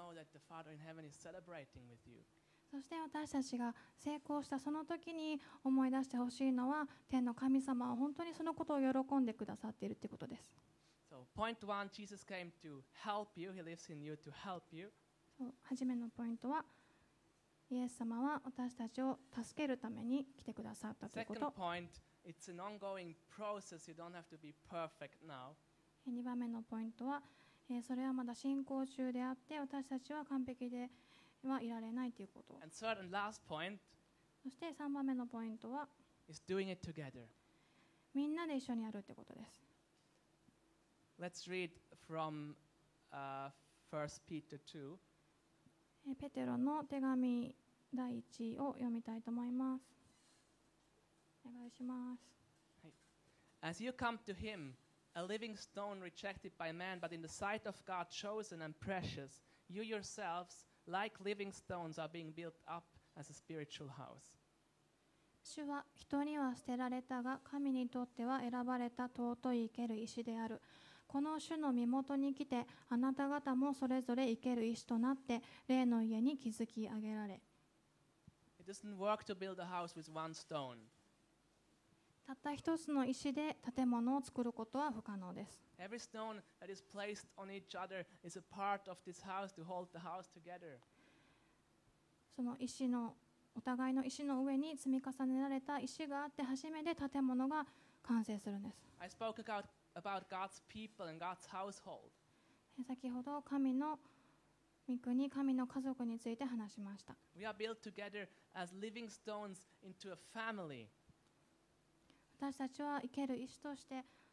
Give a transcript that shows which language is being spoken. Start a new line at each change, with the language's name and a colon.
Japanese: そして私たちが成功したその時に思い出してほしいのは天の神様は本当にそのことを喜んでくださっているということです。
English: So, point one, Jesus came to help you. He lives in you to help you.
Japanese: そう、初めのポイントはイエス様は私たちを助けるために来てくださったということ。
English: Second point, it's an ongoing process. You don't have to be perfect now.
Japanese: 二番目のポイントは、それはまだ進行中であって、私たちは完璧ではいられないということ。
English: And third and last point,
Japanese: そして三番目のポイントは、
English: is doing it together.
Japanese: みんなで一緒にやるということです。
English: Let's read from First Peter 2.
Japanese: ペテロの手紙第1を読みたいと思います。お願いします。
English: As you come to him, a living stone rejected by man, but in the sight of God chosen and precious, you yourselves, like living stones, are being built up as a spiritual house.
Japanese: 主は人には捨てられたが、神にとっては選ばれた尊い生ける石である。この主の身元に来て、あなた方もそれぞれ生ける石となって、霊の家に築き上げられ。
English: It doesn't work to build a house with one stone.
Japanese: たった一つの石で建物を作ることは不可能です。
English: Every stone that is placed on each other is a part of this house to hold the house together.
Japanese: その石のお互いの石の上に積み重ねられた石があって、初めて建物が完成するんです。
English: I spoke about God's people and God's household.
Japanese: 先ほど神の御国、神の家族について話しました。
English: We are built together as living stones into a family.
Japanese: 私たちは生ける石として。